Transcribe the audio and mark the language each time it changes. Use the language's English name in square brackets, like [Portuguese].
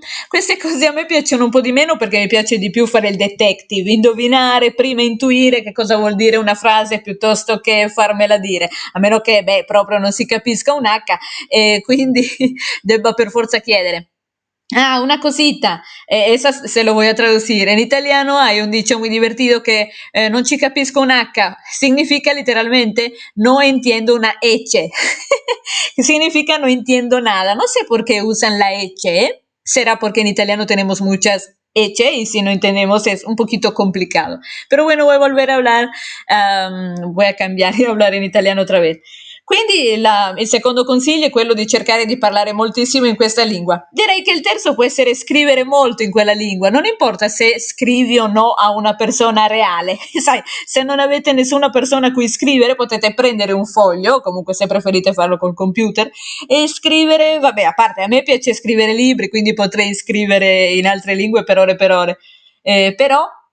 [Italian] Queste cose a me piacciono un po' di meno perché mi piace di più fare il detective, indovinare prima, intuire che cosa vuol dire una frase piuttosto che farmela dire, a meno che, beh, proprio non si capisca un H e quindi debba per forza chiedere. [Spanish] Ah, una cosita, [Italian] essa se lo voglio tradurre. In italiano hai un diciamo divertito che non ci capisco un H, significa letteralmente [Spanish] no entiendo una ecce, [Italian] significa [Spanish] no entiendo nada. No sé por qué usan la ecce, será porque en italiano tenemos muchas ecce y si no entendemos es un poquito complicado. Pero bueno, voy a volver a hablar, voy a cambiar y hablar en italiano otra vez. [Italian] Quindi il secondo consiglio è quello di cercare di parlare moltissimo in questa lingua. Direi che il terzo può essere scrivere molto in quella lingua, non importa se scrivi o no a una persona reale. Sai, se non avete nessuna persona a cui scrivere, potete prendere un foglio, comunque se preferite farlo col computer, e scrivere, vabbè, a parte a me piace scrivere libri, quindi potrei scrivere in altre lingue per ore, però.